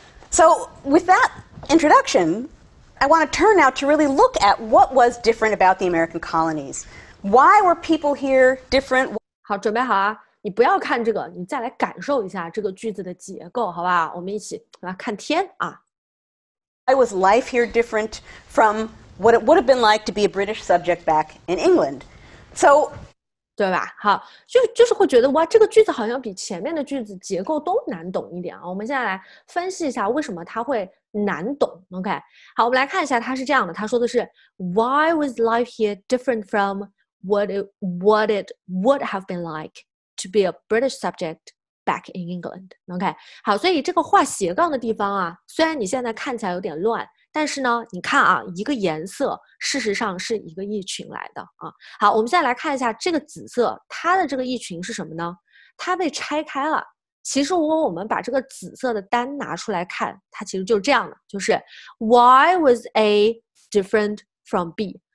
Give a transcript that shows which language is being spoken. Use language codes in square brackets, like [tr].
[en] So with that introduction, I want to turn now to really look at what was different about the American colonies. Why were people here different? [zh] 好，准备好啊！你不要看这个，你再来感受一下这个句子的结构，好吧？我们一起来看天啊。 [en] Why was life here different from what it would have been like to be a British subject back in England? So, [zh] 对吧？好，就是会觉得哇，这个句子好像比前面的句子结构都难懂一点啊。我们现在来分析一下为什么它会难懂。 OK， 好，我们来看一下，它是这样的，它说的是 [en] Why was life here different from what it would have been like to be a British subject? Back in England, OK. [zh] 好，所以这个画斜杠的地方啊，虽然你现在看起来有点乱，但是呢，你看啊，一个颜色事实上是一个异群来的啊。好，我们现在来看一下这个紫色，它的这个异群是什么呢？它被拆开了。其实，如果我们把这个紫色的单拿出来看，它其实就是这样的，就是 [en] Why was A different from B?